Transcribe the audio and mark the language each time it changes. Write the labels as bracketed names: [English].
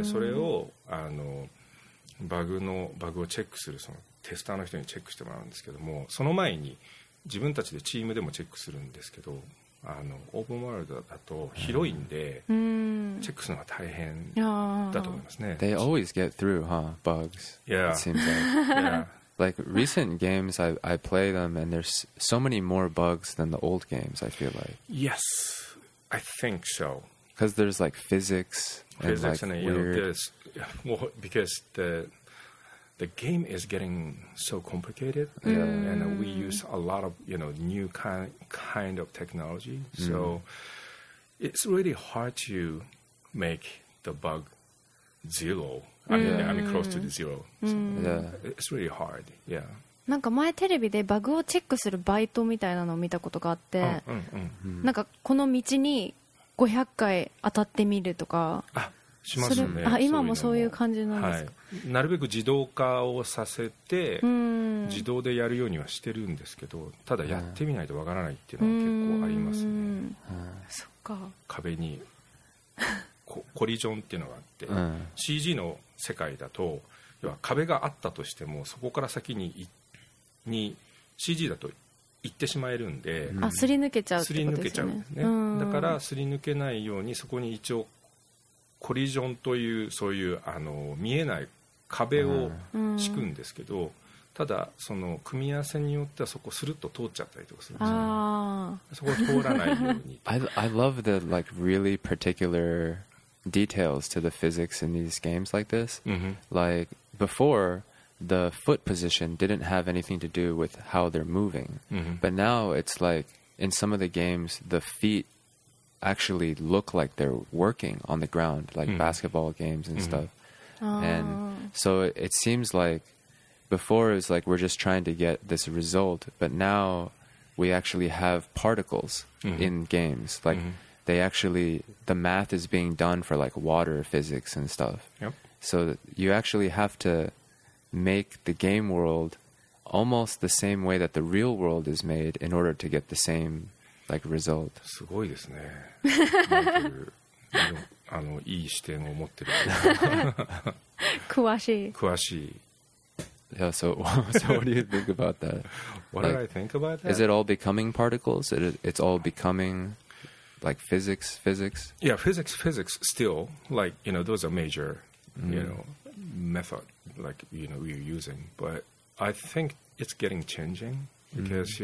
[Japanese] で、それをあのバグをチェックするそのテスターの人にチェックしてもらうんですけども、その前に自分たちでチームでもチェックするんですけど、あのオープンワールドだと広いんで、チェックするのは大変だと思いますね。 [English] They always get through, huh? Bugs. Yeah. It seems like. Yeah. Like recent games, I play them, and there's so many more bugs than the old games. I feel like. Yes, I think so. Because there's like physics. Physics and, like, and you weird. Know, there's, well, because the game is getting so complicated, and we use a lot of, you know, new kind of technology. So it's really hard to make the bug zero. I mean close to the zero. So it's really hard. Yeah. [Japanese] なんか前テレビでバグをチェックするバイトみたいなのを見たことがあって、なんかこの道に500回当たってみるとか。しますね、あ、今もそういう感じなんですか。はい、なるべく自動化をさせて自動でやるようにはしてるんですけど、ただやってみないとわからないっていうのは結構ありますね。そっか、壁にコリジョンっていうのがあって、CG の世界だと要は壁があったとしてもそこから先 に CG だと行ってしまえるんで、あ、すり抜けちゃうってことですね。だからすり抜けないようにそこに一応コリジョンというそういうあの見えない壁を敷くんですけど、ただその組み合わせによってはそこスルッと通っちゃったりとかするんですよ。そこ通らないように。 [English] I love the like really particular details to the physics in these games like this. Like before, the foot position didn't have anything to do with how they're moving. But now it's like in some of the games, the feetactually look like they're working on the ground, like basketball games and stuff. And so it seems like before it was like we're just trying to get this result, but now we actually have particles in games. Like they actually, the math is being done for like water physics and stuff. Yep. So you actually have to make the game world almost the same way that the real world is made in order to get the sameLike、result. [Japanese] すごいですね。あのいい視点を持ってる。詳しい。詳しい。 [English] Yeah, so what do you think about that? What like, did I think about that? Is it all becoming particles? It's all becoming like physics? Yeah, physics still. Like, you know, those are major, you know, method, like, you know, we're using. But I think it's getting changing. because mm-hmm.